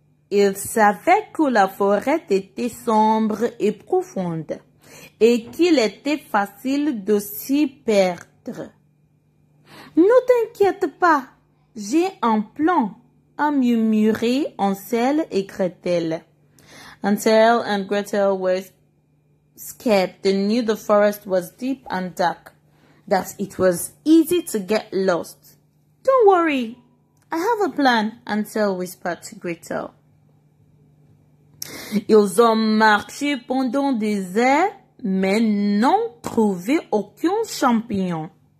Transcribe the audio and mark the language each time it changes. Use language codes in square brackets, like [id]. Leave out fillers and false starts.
[fr] Ils savaient que la forêt était sombre et profonde et qu'il était facile de s'y perdre. Ne t'inquiète pas. J'ai un plan, a murmuré Hansel et Gretel. [en] Hansel and Gretel were scared. They knew the forest was deep and dark, that it was easy to get lost. Don't worry, I have a plan, Hansel whispered to Gretel. [fr] Ils ont marché pendant des heures, mais n'ont trouvé aucun champignon.